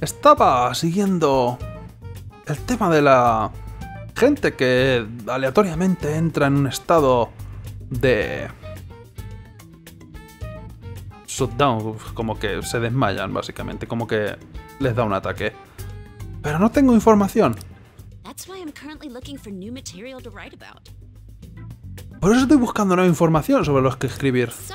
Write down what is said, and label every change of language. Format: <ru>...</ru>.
<es>Estaba siguiendo el tema de la gente que aleatoriamente entra en un estado de shutdown, como que se desmayan básicamente, como que les da un ataque. Pero no tengo información.</es> <en>That's why I'm currently looking for new material to write about.</en> <es>Por eso estoy buscando nueva información sobre los que escribir.</es>